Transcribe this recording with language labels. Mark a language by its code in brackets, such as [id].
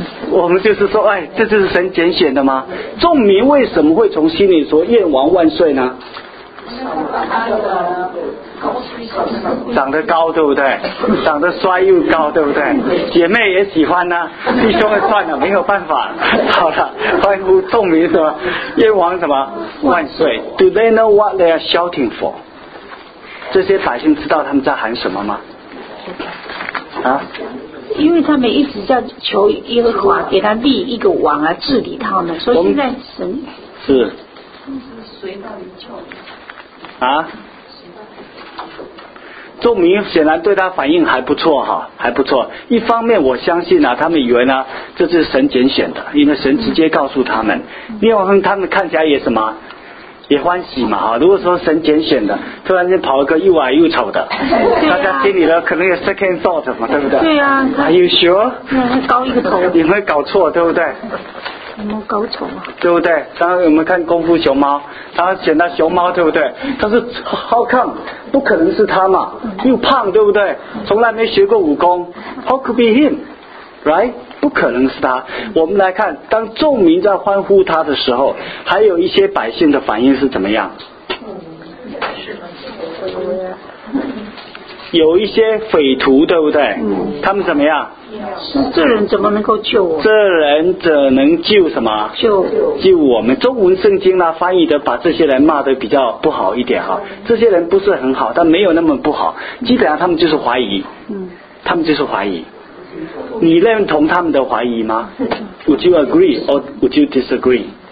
[zh] 我们就是说，哎，这就是神拣选的吗？众民为什么会从心里说愿王万岁呢？长得高，对不对？长得帅又高，对不对？姐妹也喜欢呢、啊，弟兄也算了，没有办法。好了，欢呼众民什么？愿王什么万岁 ？ [en] Do they know what they are shouting for？ [zh] 这些百姓知道他们在喊什么吗？啊？因为他们一直在求耶和华给他立一个王来治理他们，所以现在神是。啊？众民显然对他反应还不错哈，还不错。一方面我相信啊，他们以为呢这是神拣选的，因为神直接告诉他们。另外他们看起来也什么，也欢喜嘛哈。如果说神拣选的，突然间跑了个又矮又丑的，大家心里呢可能有 [en] second thought [zh] 嘛，对不对？对啊。 [en] Are you sure？ [zh] 高一个头。你会搞错，对不对？有没有搞丑啊？对不对？刚刚我们看功夫熊猫，他选到熊猫，对不对？他是 [en] how come？ [zh] 不可能是他嘛？又胖，对不对？从来没学过武功 ， [en] how could be him？ Right？ [zh] 不可能是他。我们来看，当众民在欢呼他的时候，还有一些百姓的反应是怎么样？有一些匪徒，对不对？他们怎么样？这人怎么能够救我？这人怎能救什么？救我们。中文圣经呢、啊，翻译的把这些人骂得比较不好一点哈、啊。这些人不是很好，但没有那么不好。基本上他们就是怀疑，他们就是怀疑。你认同他们的怀疑吗 ？ [en] Would you agree or would you disagree？